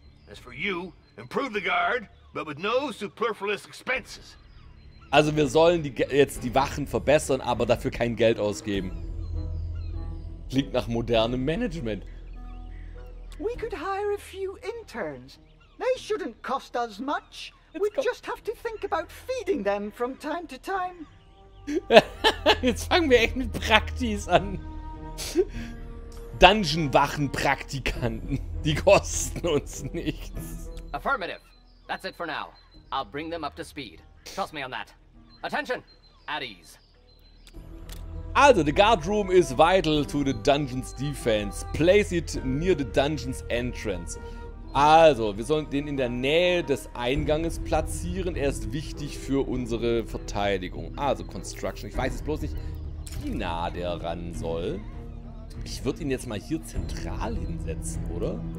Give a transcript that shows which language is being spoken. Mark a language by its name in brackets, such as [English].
[English] As for you, improve the guard, but with no superfluous expenses. [German] Also wir sollen jetzt die Wachen verbessern, aber dafür kein Geld ausgeben. Klingt nach modernem Management. [English] We could hire a few interns. They shouldn't cost us much. We just have to think about feeding them from time to time. [German] Jetzt fangen wir echt mit Praktis an. Dungeon-Wachen-Praktikanten. Die kosten uns nichts. [English] Affirmative. That's it for now. I'll bring them up to speed. Trust me on that. Attention. At ease. Also, the guard room is vital to the dungeon's defense. Place it near the dungeon's entrance. [German] Also, wir sollen den in der Nähe des Einganges platzieren. Er ist wichtig für unsere Verteidigung. Also, Construction. Ich weiß jetzt bloß nicht, wie nah der ran soll. Ich würde ihn jetzt mal hier zentral hinsetzen, oder?